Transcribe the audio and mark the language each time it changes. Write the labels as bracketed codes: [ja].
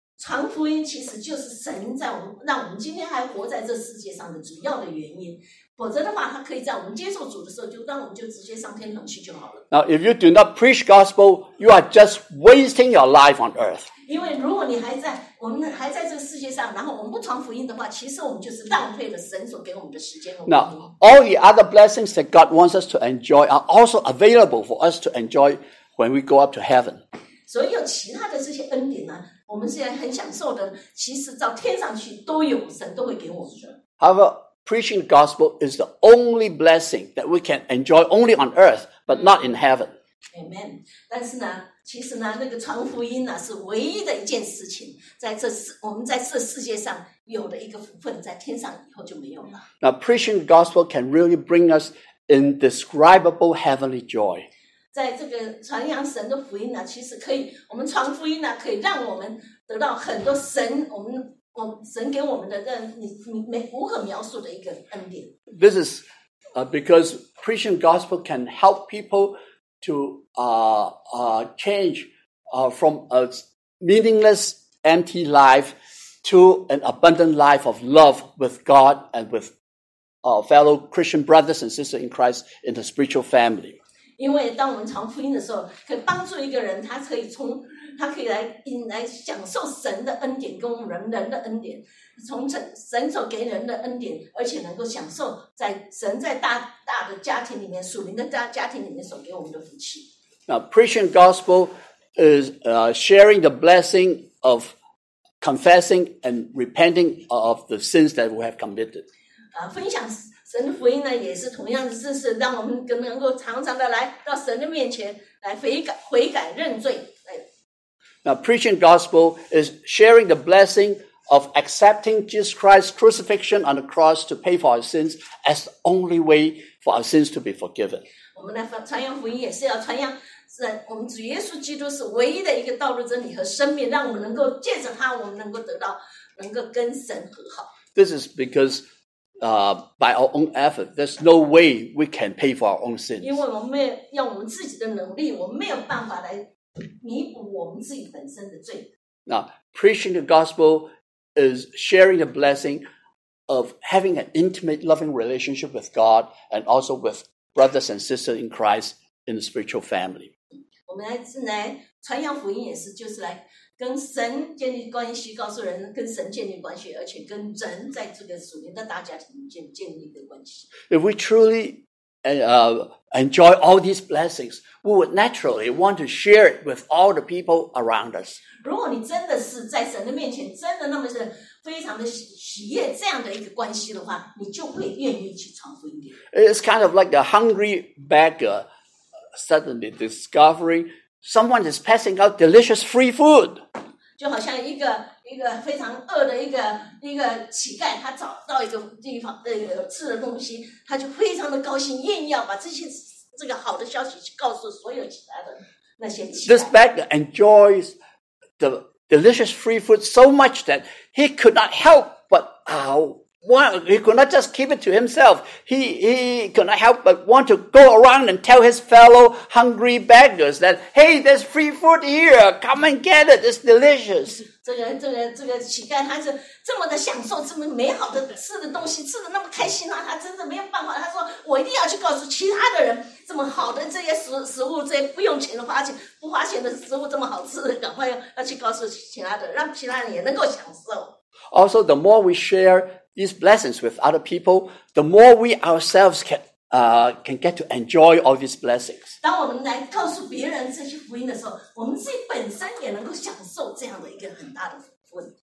[zh] 传福音其实就是神在我们，让我们今天还活在这世界上的主要的原因。否则的话，他可以在我们接受主的时候，就让我们就直接上天堂去就好了。 [en] Now, if you do not preach gospel, you are just wasting your life on earth. [zh] 因为如果你还在，我们还在这个世界上，然后我们不传福音的话，其实我们就是浪费了神所给我们的时间。 [en] Now, all the other blessings that God wants us to enjoy are also available for us to enjoy when we go up to heaven. [zh] 所以有其他的这些恩典呢、啊？我们现在很享受的，其实到天上去都有，神都会给我们。 [en] However, preaching the gospel is the only blessing that we can enjoy only on earth, but not in heaven. Amen. [zh] 但是呢，其实呢，那个传福音呢，是唯一的一件事情，在这我们在这世界上有的一个福分，在天上以后就没有了。 [en] Now, preaching the gospel can really bring us indescribable heavenly joy. [zh] 在这个传扬神的福音呢、啊，其实可以，我们传福音呢、啊，可以让我们得到很多神，我们神给我们的这你无可描述的一个恩典。 [en] This is because preaching gospel can help people to change from a meaningless empty life to an abundant life of love with God and with fellow Christian brothers and sisters in Christ in the spiritual family. [zh] 因为当我们传福音的时候，可以帮助一个人，他可以从他可以来享受神的恩典，跟我们人的恩典，从神所给人的恩典，而且能够享受在神在大的家庭里面，属灵的家庭里面所给我们的福气。 [en] Now, preaching gospel is sharing the blessing of confessing and repenting of the sins that we have committed. [zh] 分享。神的福音呢，也是同样的，就是让我们能够常常的来到神的面前来悔改认罪。 [en] Now, preaching gospel is sharing the blessing of accepting Jesus Christ's crucifixion on the cross to pay for our sins as the only way for our sins to be forgiven. [zh] 我们来传扬福音也是要传扬神，我们主耶稣基督是唯一的一个道路、真理和生命，让我们能够借着他，我们能够得到，能够跟神和好。 [en] This is because. By our own effort, there's no way we can pay for our own sins. [zh] 因为我们没有用我们自己的能力，我们没有办法来弥补我们自己本身的罪。 [en] Now, preaching the gospel is sharing the blessing of having an intimate, loving relationship with God and also with brothers and sisters in Christ in the spiritual family. [zh] 我们来传扬福音，也是就是来。跟神建立关系，告诉人跟神建立关系，而且跟人在这个属灵的大家庭建立的关系。 [en] If we truly enjoy all these blessings, we would naturally want to share it with all the people around us. [zh] 如果你真的是在神的面前，真的那么的非常的喜悦这样的一个关系的话，你就会愿意去传福音。 [en] It's kind of like the hungry beggar suddenly discovering. Someone is passing out delicious free food. [zh] 就好像一个非常饿的一个乞丐，他找到一个地方吃的东西，他就非常的高兴，愿意要把这个好的消息告诉所有其他的那些乞丐。 [en] This beggar enjoys the delicious free food so much that he could not help but he could not just keep it to himself. He could not help but want to go around and tell his fellow hungry beggars that, hey, there's free food here. Come and get it. It's delicious. [zh] 这个乞丐他是这么的享受这么美好的吃的东西，吃的那么开心啊，他真的没有办法。他说我一定要去告诉其他的人，这么好的这些食物，这些不用钱的不花钱的食物这么好吃，赶快要去告诉其他的，让其他人也能够享受。 [en] Also, the more we share. These blessings with other people, the more we ourselves can get to enjoy all these blessings. [zh] 当我们来告诉别人这些福音的时候，我们自己本身也能够享受这样的一个很大的福音。